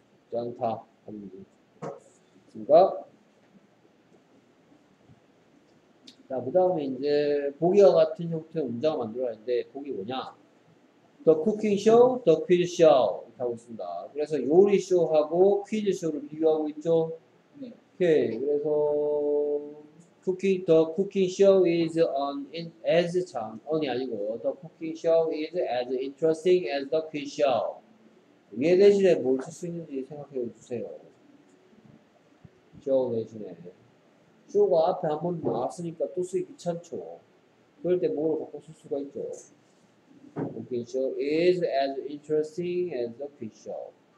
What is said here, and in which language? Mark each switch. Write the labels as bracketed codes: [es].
[ko] 좋지 않다 하면 되겠습니까? 자, 그 다음에 이제 보기와 같은 형태의 문장을 만들어야 하는데 보기 뭐냐? [en] The cooking show, the quiz show [ko] 이렇게 하고 있습니다. 그래서 요리쇼하고 퀴즈쇼를 비교하고 있죠? 네. 오케이. 그래서 [en] The cooking show is as interesting as the quiz show. [ko] 얘 대신에 뭘 쓸 수 있는지 생각해 주세요. show 대신에. 쇼가 앞에 한번 나왔으니까 또 쓰기 귀찮죠. 그럴 때 뭐로 바꿔 쓸 수가 있죠. [en] cooking show is as interesting as the quiz show.